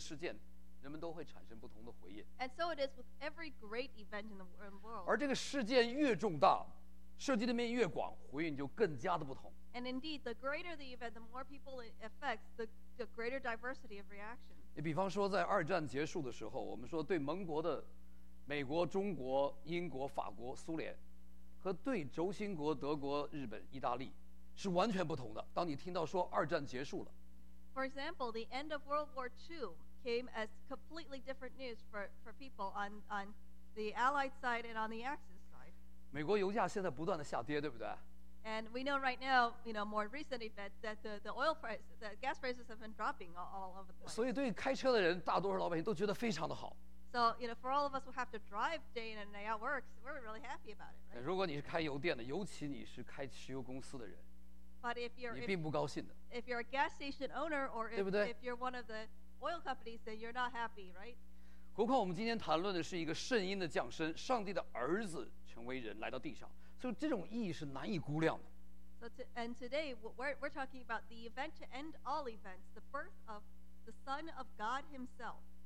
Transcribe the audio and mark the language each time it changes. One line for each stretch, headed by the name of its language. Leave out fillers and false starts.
Chinese: 你一看这些事件的时候，你就知道，其实任何一个事件，人们都会产生不同的回应。
English: And so it is with every great event in the world.
Chinese: 而这个事件越重大，涉及的面越广，回应就更加的不同。
English: And indeed, the greater the event, the more people it affects, the greater diversity of reaction.
Chinese: 你比方说，在二战结束的时候，我们说对盟国的美国、中国、英国、法国、苏联。和对轴心国德国、日本、意大利是完全不同的。当你听到说二战结束了
English: ，For example, the end of World War II came as completely different news for people on the Allied side and on the Axis side.
Chinese: 美国油价现在不断的下跌，对不对
English: ？And we know right now, you know, more recent event that the oil price, the gas prices have been dropping all over the place.
Chinese: 所以对开车的人，大多数老百姓都觉得非常的好。
English: So, you know, for all of us who have to drive day in and day out works, we're really happy about it, right?
Chinese: 如果你是开油店的，尤其你是开汽油公司的人，
English: but if you're,
Chinese: 你并不高兴的。
English: If you're a gas station owner or if you're one of the oil companies, then you're not happy, right?
Chinese: 何况我们今天谈论的是一个圣婴的降生，上帝的儿子成为人来到地上，所以这种意义是难以估量的。
English: And today, we're talking about the event to end all events, the birth of the Son of God himself.